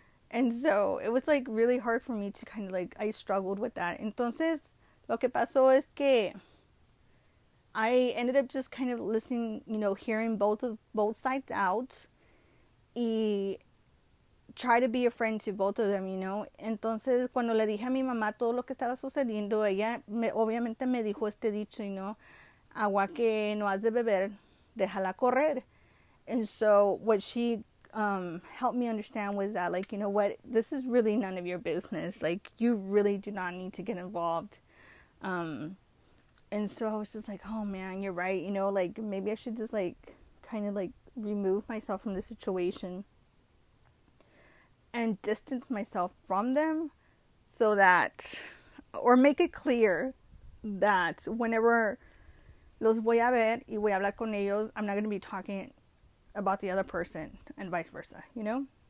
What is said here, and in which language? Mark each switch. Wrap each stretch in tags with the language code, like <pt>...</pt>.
<en>And so it was like really hard for me to kind of like, I struggled with that.</en> <es>Entonces, lo que pasó es que</es> <en>I ended up just kind of listening, you know, hearing both sides out. Y try to be a friend to both of them, you know.</en> <es>Entonces, cuando le dije a mi mamá todo lo que estaba sucediendo, ella obviamente me dijo este dicho,</es> <en>you know,</en> <es>agua que no has de beber, déjala correr.</es> <en>And so what she helped me understand was that, like, you know what, this is really none of your business. Like, you really do not need to get involved. And so I was just like, oh, man, you're right. You know, like, maybe I should just, like, kind of, like, remove myself from the situation and distance myself from them so that, or make it clear that whenever</en> <es>los voy a ver y voy a hablar con ellos,</es> <en>I'm not going to be talking about the other person and vice versa, you know?</en>